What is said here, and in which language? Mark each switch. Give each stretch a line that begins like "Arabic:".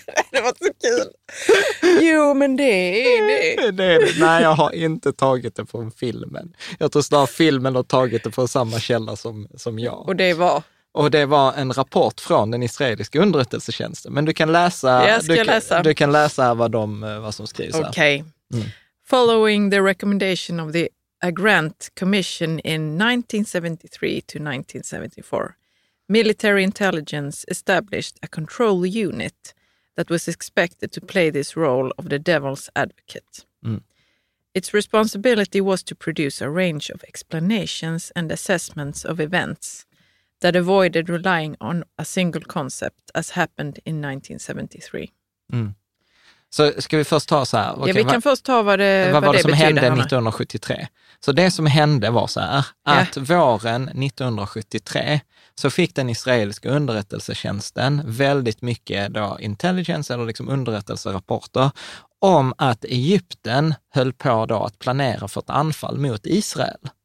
Swedish: Det var så kul. Jo, men det är det. Nej, jag har inte tagit det från filmen. Jag tror snarare filmen har tagit det från samma källa som jag. Och det var? Och det var en rapport från den israeliska underrättelsetjänsten. Men du kan läsa, du kan läsa vad som skrivs. Okej. Okay.
English: Following the recommendation of the A Grant Commission in 1973 to 1974, military intelligence established a control unit that was expected to play this role of the devil's advocate. Its responsibility was to produce a range of explanations and assessments of events that avoided relying on a single concept, as happened in 1973.
Swedish: Mm. Så ska vi först ta så här? Okay, ja, vi kan först ta vad det som hände 1973. Så det som hände var så här, att våren 1973 så fick den israeliska underrättelsetjänsten väldigt mycket då intelligence eller liksom underrättelserapporter om att Egypten höll på då att planera för ett anfall mot Israel.